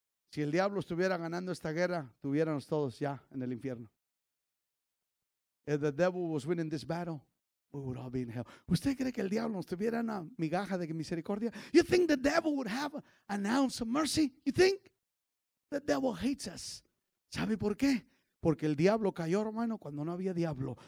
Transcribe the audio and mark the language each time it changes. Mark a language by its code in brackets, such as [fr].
[es] Si el diablo estuviera ganando esta guerra, tuviéramos todos ya en el infierno. [en] If the devil was winning this battle, we would all be in hell. [es] ¿Usted cree que el diablo nos tuviera una migaja de misericordia? [en] You think the devil would have an ounce of mercy? You think? The devil hates us. [es] ¿Sabe por qué? Porque el diablo cayó, hermano, cuando no había diablo.